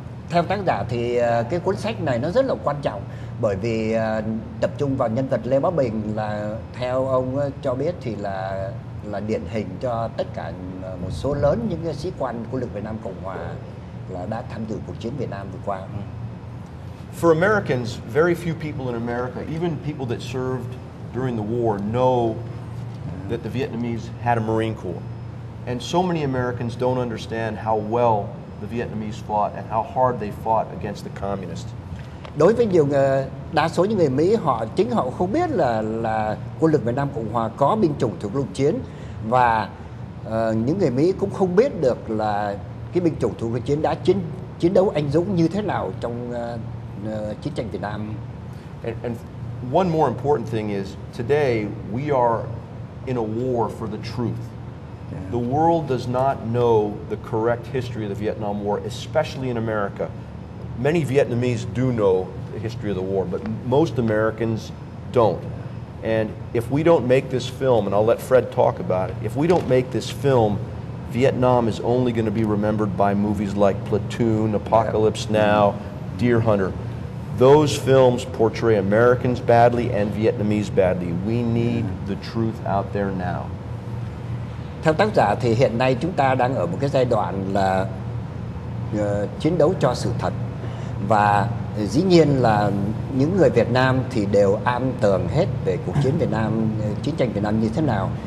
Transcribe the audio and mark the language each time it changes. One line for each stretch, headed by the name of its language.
Vietnamese: theo tác giả thì cái cuốn sách này nó rất là quan trọng, bởi vì tập trung vào nhân vật Lê Bá Bình, là theo ông cho biết thì là điển hình cho tất cả một số lớn những sĩ quan của lực Việt Nam Cộng Hòa là đã tham dự cuộc chiến Việt Nam vừa qua.
English: For Americans, very few people in America, even people that served during the war, know that the Vietnamese had a Marine Corps. And so many Americans don't understand how well the Vietnamese fought and how hard they fought against the communists.
Vietnamese: Đối với nhiều người, đa số những người Mỹ, họ chính họ không biết là quân lực Việt Nam Cộng Hòa có binh chủng thuộc lục chiến, và những người Mỹ cũng không biết được là cái binh chủng thuộc lục chiến đã chiến đấu anh dũng như thế nào trong chiến tranh Việt Nam.
English: And one more important thing is today we are in a war for the truth. The world does not know the correct history of the Vietnam War, especially in America. Many Vietnamese do know the history of the war, but most Americans don't. And if we don't make this film, and I'll let Fred talk about it, if we don't make this film, Vietnam is only going to be remembered by movies like Platoon, Apocalypse Now, Deer Hunter. Those films portray Americans badly and Vietnamese badly. We need the truth out there now.
Vietnamese: Theo tác giả thì hiện nay chúng ta đang ở một cái giai đoạn là chiến đấu cho sự thật. Và dĩ nhiên là những người Việt Nam thì đều am tường hết về cuộc chiến Việt Nam, chiến tranh Việt Nam như thế nào.